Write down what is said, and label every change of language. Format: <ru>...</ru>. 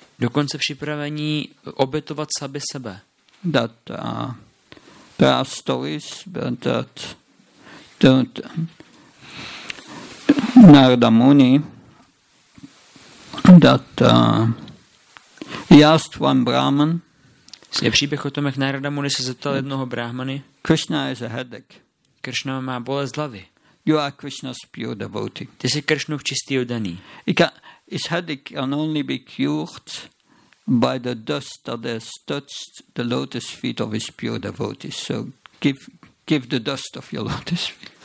<cs>Dokonce připravení obětovat sami sebe.</cs> <en>That there are stories that Narada Muni that he asked one Brahman.</en> <cs>Je příběh o tom, jak Narada Muni se zeptal jednoho Brahmany.</cs> <en>Krishna has a headache.</en> <cs>Krishna má bolest hlavy.</cs> <en>You are Krishna's pure devotee.</en> <cs>Ty jsi Krishnův čistý oddaný.</cs> <en>His headache can only be cured by the dust that has touched the lotus feet of his pure devotees. So give the dust of your lotus feet.</en>